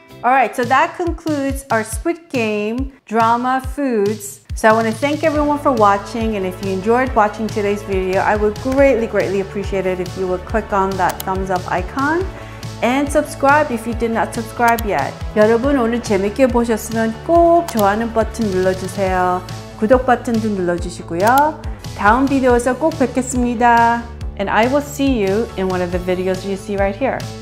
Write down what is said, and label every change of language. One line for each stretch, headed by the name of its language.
English: All right, so that concludes our Squid Game drama foods. So I want to thank everyone for watching, and if you enjoyed watching today's video, I would greatly, greatly appreciate it if you would click on that thumbs up icon and subscribe if you did not subscribe yet.
Korean: 여러분 오늘 재밌게 보셨으면 꼭 좋아하는 버튼 눌러주세요. 구독 버튼도 눌러주시고요. 다음 비디오에서 꼭 뵙겠습니다.
English: And I will see you in one of the videos you see right here.